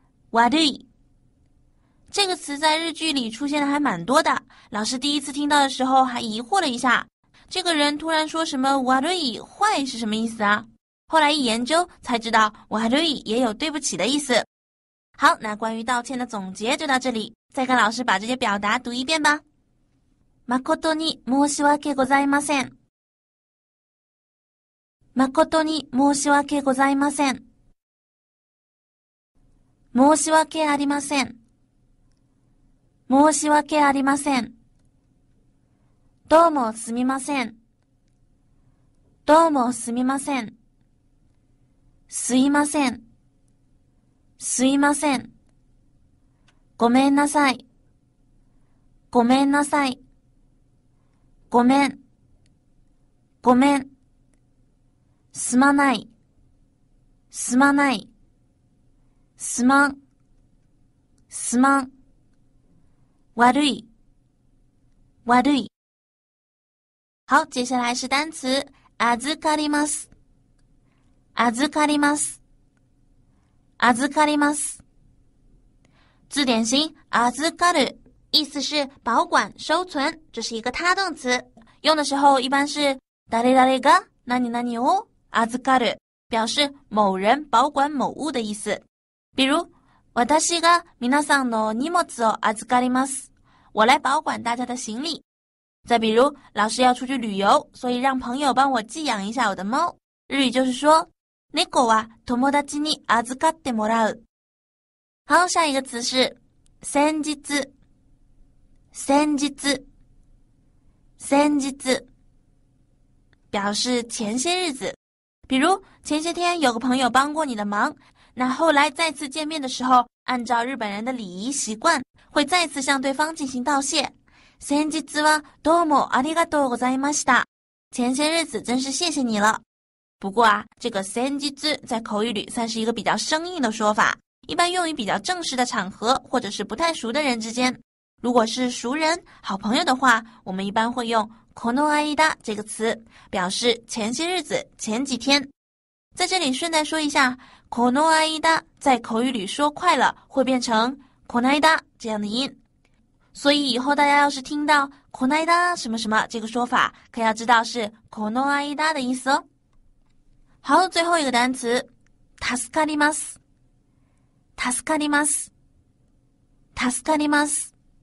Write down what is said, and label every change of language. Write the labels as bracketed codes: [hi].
[zh] 悪い，这个词在日剧里出现的还蛮多的，老师第一次听到的时候还疑惑了一下，这个人突然说什么悪い、坏是什么意思啊？后来一研究才知道悪い也有对不起的意思。好，那关于道歉的总结就到这里，再跟老师把这些表达读一遍吧。 [ja] 誠に申し訳ございません。誠に申し訳ございません。申し訳ありません。申し訳ありません。どうもすみません。どうもすみません。すいません。すいません。ごめんなさい。ごめんなさい。ごめん、ごめん、すまない、すまない、すまん、すまん、悪い、悪い。 [zh] 好、接下来是单词、預かります、 [ja] 預かります、預かります。 [zh] 字典型、預かる、意思是保管、收存、这是一个他动词。用的时候一般是 [ja] 誰誰が何々を預かる， [zh] 表示某人保管某物的意思。比如 [ja] 私が皆さんの荷物を預かります， [zh] 我来保管大家的行李。再比如老师要出去旅游，所以让朋友帮我寄养一下我的猫，日语就是说 [ja] 猫は友達に預かってもらう。 [zh] 好，下一个词是 [ja] 先日、 [zh] 先日、先日，表示前些日子。比如前些天有个朋友帮过你的忙，那后来再次见面的时候，按照日本人的礼仪习惯会再次向对方进行道谢。 [ja] 先日はどうもありがとうございました， [zh] 前些日子真是谢谢你了。不过啊，这个先日在口语里算是一个比较生硬的说法，一般用于比较正式的场合或者是不太熟的人之间。如果是熟人、好朋友的话，我们一般会用この間这个词表示前些日子、前几天。在这里顺带说一下，この間在口语里说快了会变成この間这样的音。所以以后大家要是听到この間什么什么这个说法，可要知道是この間的意思哦。好，最后一个单词， [ja] 助かります。助かります。助かります。